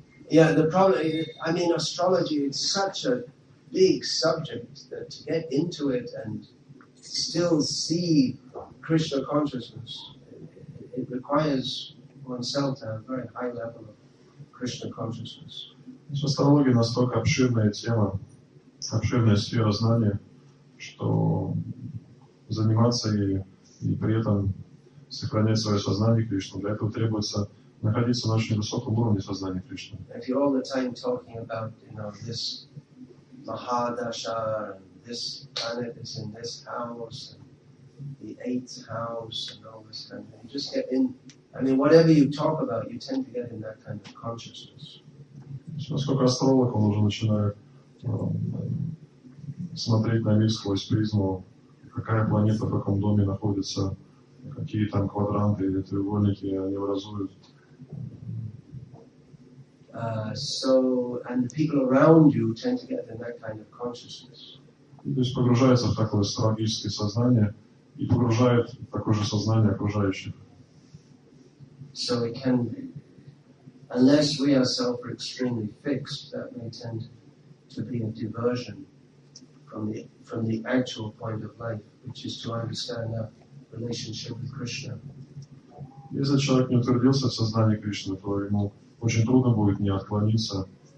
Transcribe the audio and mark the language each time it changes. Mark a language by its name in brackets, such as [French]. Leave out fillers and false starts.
[English] Yeah, the problem, I mean, astrology is such a big subject that to get into it and still see Krishna consciousness, it requires oneself to have a very high level of Krishna consciousness. So astrology is [Russian] настолько обширная тема, обширная сфера знания, что заниматься ей и при этом сохранять свое сознание Кришны, для этого требуется находиться на очень высоком уровне сознания Кришны. [English] If you're all the time talking about, you know, this Mahadasha, this planet is in this house, and the eighth house, and all this kind of thing, you just get in. I mean, whatever you talk about, you tend to get in that kind of consciousness. [Russian] Насколько астролог, он уже начинает смотреть на мир сквозь призму, какая планета в каком доме находится, какие там квадранты или треугольники они образуют. [English] And the people around you tend to get in that kind of consciousness. [Russian] То есть погружается в такое астрологическое сознание и погружает в такое же сознание окружающих. [English] So it can be. Unless we ourselves are extremely fixed, that may tend to be a diversion from the actual point of life, which is to understand our relationship with Krishna. [Russian] Если человек не утвердился в сознании Кришны, то ему очень трудно будет не отклониться